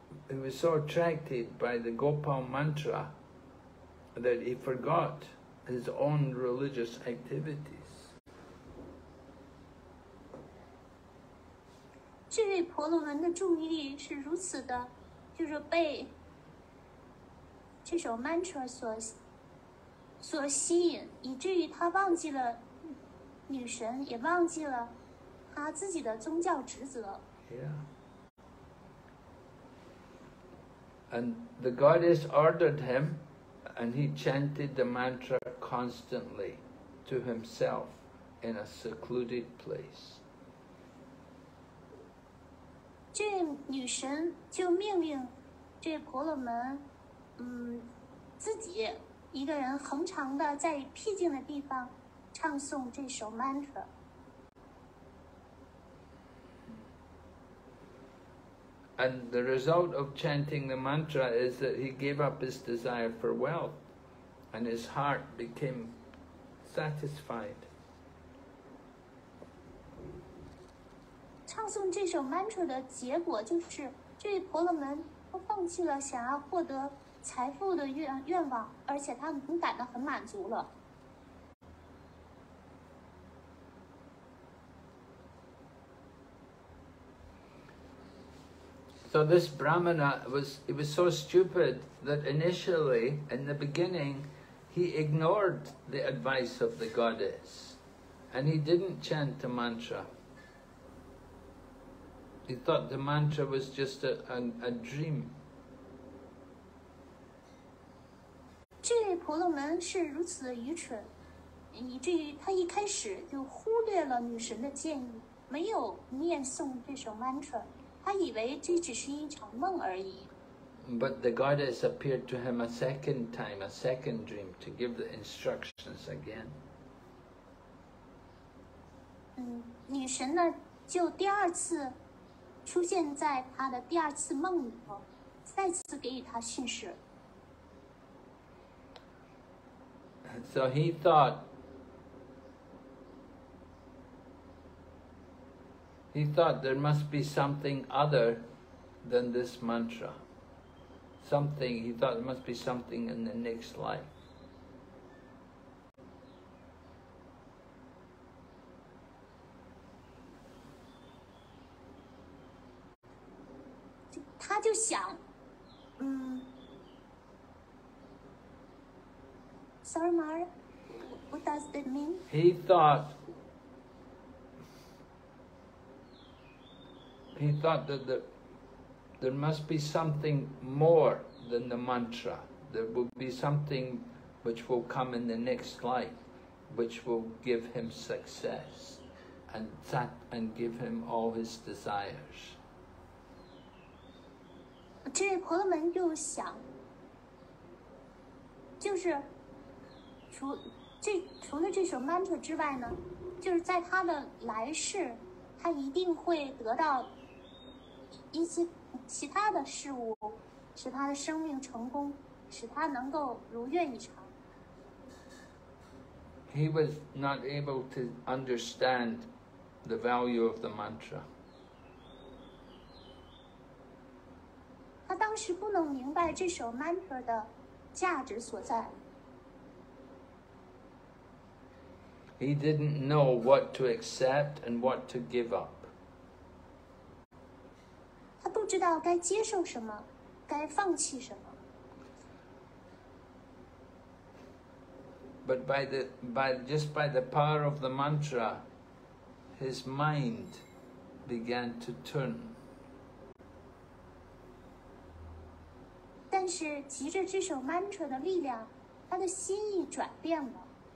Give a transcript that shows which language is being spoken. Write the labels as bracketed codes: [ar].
[en] He was so attracted by the Gopal mantra that he forgot his own religious activities. [zh] 这位婆罗门的注意力是如此的，就是被这首 mantra 所吸引，以至于他忘记了女神，也忘记了他自己的宗教职责。 [en] Yeah. And the goddess ordered him, and he chanted the mantra constantly to himself in a secluded place. [zh] 这女神就命令这婆罗门，自己一个人恒常的在僻静的地方唱诵这首 mantra。 [en] And the result of chanting the mantra is that he gave up his desire for wealth, and his heart became satisfied. [zh] 唱诵这首 mantra 的结果就是，这位婆罗门都放弃了想要获得财富的愿望，而且他们感到很满足了。 [en] So this Brahmana was so stupid that initially, in the beginning, he ignored the advice of the goddess, and he didn't chant the mantra. He thought the mantra was just a dream. [zh] 这位婆罗门是如此的愚蠢，以至于他一开始就忽略了女神的建议，没有念诵这首 mantra， 他以为这只是一场梦而已。 [en] But the goddess appeared to him a second time, a second dream, to give the instructions again. [zh] 女神呢，就第二次出现在他的第二次梦里头，再次给予他训示。 [en] So he thought, there must be something other than this mantra. Something, he thought there must be something in the next life. He just thought, Sorry, Mara, what does that mean? He thought that there must be something more than the mantra. There will be something which will come in the next life, which will give him success and give him all his desires. [zh] 这位婆罗门就想，就是除了这首 mantra 之外呢，就是在他的来世，他一定会得到一些其他的事物，使他的生命成功，使他能够如愿以偿。 [en] He was not able to understand the value of the mantra. [zh] 他当时不能明白这首 mantra 的价值所在。 [en] He didn't know what to accept and what to give up. [zh] 他不知道该接受什么，该放弃什么。 [en] But by the power of the mantra, his mind began to turn. [zh] 但是藉着这首 mantra 的力量，他的心意转变了。